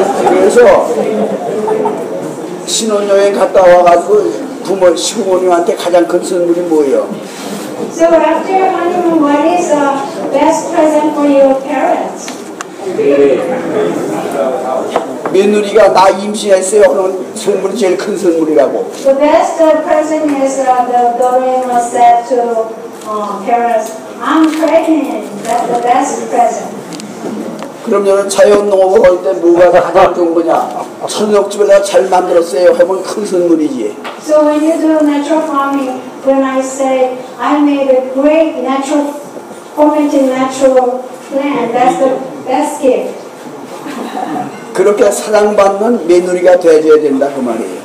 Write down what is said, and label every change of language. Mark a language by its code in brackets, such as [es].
[ko] 그래서 신혼여행 갔다 와가지고 부모 시부모님한테 가장 큰 선물이 뭐예요? [en] So after your honeymoon, what is the best present for your parents? [ko] 며느리가 나 임신했어요. 그런 선물이 제일 큰 선물이라고. [en] The best present is the daughter-in-law said to parents, I'm pregnant. That's the best present. [ko] 그럼 너는 자연농업을 할 때 뭐가 가장 좋은 거냐? 천연옥집을 내가 잘 만들었어요 하면 큰 선물이지. [en] So when you do natural farming, when I say I made a great natural fermented natural plant, that's the best gift. [ko] 그렇게 사랑받는 며느리가 되어줘야 된다 그 말이에요.